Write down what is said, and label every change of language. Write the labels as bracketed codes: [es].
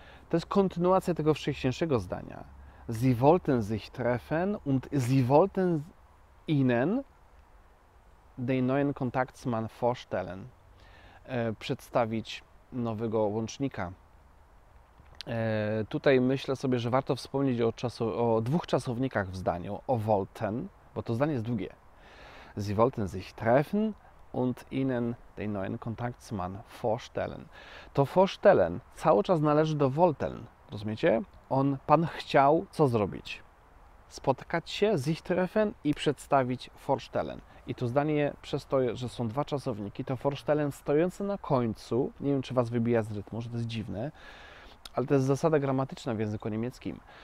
[pl] To jest kontynuacja tego wcześniejszego zdania. [de] Sie wollten sich treffen und Sie wollten Ihnen den neuen Kontaktmann vorstellen. [pl] Przedstawić nowego łącznika. Tutaj myślę sobie, że warto wspomnieć o dwóch czasownikach w zdaniu. O wollten, bo to zdanie jest długie. [de] Sie wollten sich treffen und Ihnen den neuen Kontaktmann vorstellen. [pl] To vorstellen cały czas należy do wollten. Rozumiecie? On, pan chciał co zrobić? Spotkać się, [de] sich treffen [pl] i przedstawić vorstellen. I to zdanie przez to, że są dwa czasowniki, to vorstellen stojące na końcu, nie wiem, czy was wybija z rytmu, że to jest dziwne, ale to jest zasada gramatyczna w języku niemieckim.